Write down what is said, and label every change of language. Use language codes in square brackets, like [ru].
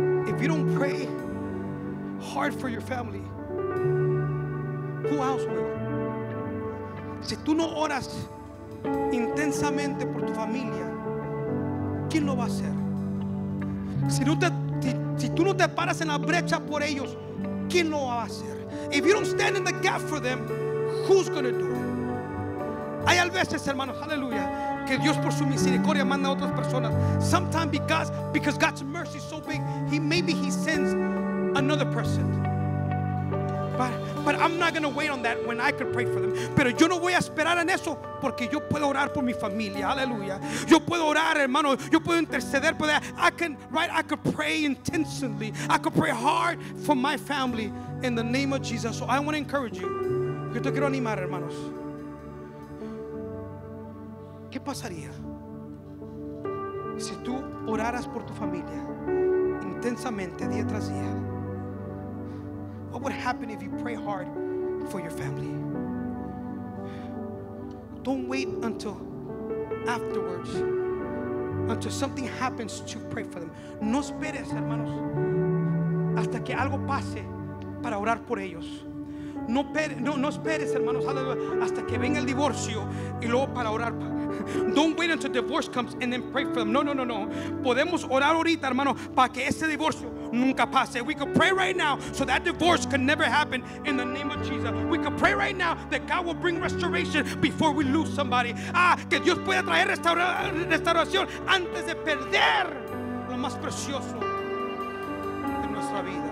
[en] If you don't pray hard for your family, who else will? [es] Si tú no oras intensamente por tu familia, ¿quién lo va a hacer? Si tú no te paras en la brecha por ellos, ¿quién lo va a hacer? [en] If you don't stand in the gap for them, who's going to do it? [es] Hay a veces, hermanos, aleluya, que Dios por su misericordia manda a otras personas. [en] Sometimes because God's mercy is so big, he sends another person. But I'm not going to wait on that when I could pray for them. [es] Pero yo no voy a esperar en eso porque yo puedo orar por mi familia. Aleluya. Yo puedo orar, hermano. Yo puedo interceder por [en] that. I can, right? I could pray intensely. I could pray hard for my family in the name of Jesus. So I want to encourage you. [es] Yo te quiero animar, hermanos. ¿Qué pasaría si tú oraras por tu familia intensamente día tras día? [en] What would happen if you pray hard for your family? Don't wait until afterwards, until something happens to pray for them. [es] No esperes, hermanos, hasta que algo pase para orar por ellos. No esperes, hermanos, hasta que venga el divorcio y luego para orar. [en] Don't wait until divorce comes and then pray for them. [es] No. Podemos orar ahorita, hermano, para que ese divorcio nunca pase. [en] We could pray right now so that divorce can never happen in the name of Jesus. We could pray right now that God will bring restoration before we lose somebody. [es] Ah, que Dios pueda traer restauración antes de perder lo más precioso de nuestra vida.